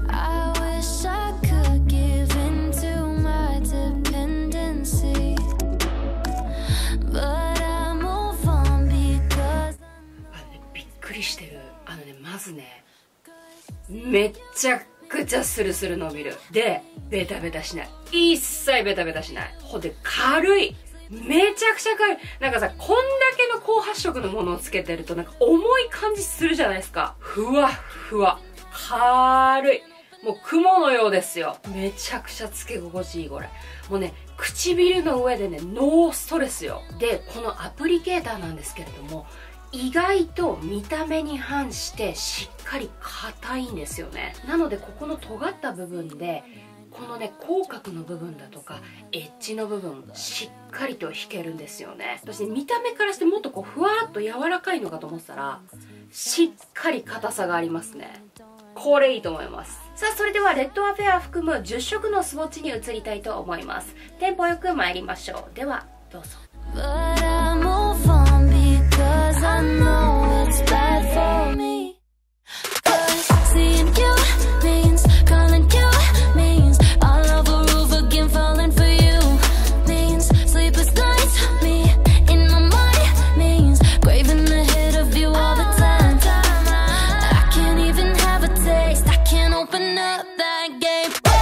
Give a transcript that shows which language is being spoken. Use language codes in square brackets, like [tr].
[en] I wish I could give in to my dependency. But I move on because I'm... [ja] あのね、びっくりしてる。あのね、まずね、めちゃくちゃスルスル伸びる。で、ベタベタしない。一切ベタベタしない。ほんで、軽い。めちゃくちゃ軽い。なんかさ、こんだけの高発色のものをつけてるとなんか重い感じするじゃないですか。ふわふわ軽い、もう雲のようですよ。めちゃくちゃつけ心地いい。これもうね、唇の上でね、ノーストレスよ。で、このアプリケーターなんですけれども、意外と見た目に反してしっかり硬いんですよね。なので、ここの尖った部分でこのね、口角の部分だとかエッジの部分しっかりと引けるんですよね。そして見た目からしてもっとこうふわーっと柔らかいのかと思ったら、しっかり硬さがありますね。これいいと思います。さあそれではレッドアフェア含む10色のスウォッチに移りたいと思います。テンポよく参りましょう。ではどうぞ。 [en] But I'm all fun because I know it's bad for me Cause seeing you means calling you means all over again falling for you means sleepless nights me in my mind means craving the hit of you all the time I can't even have a taste I can't open up that gate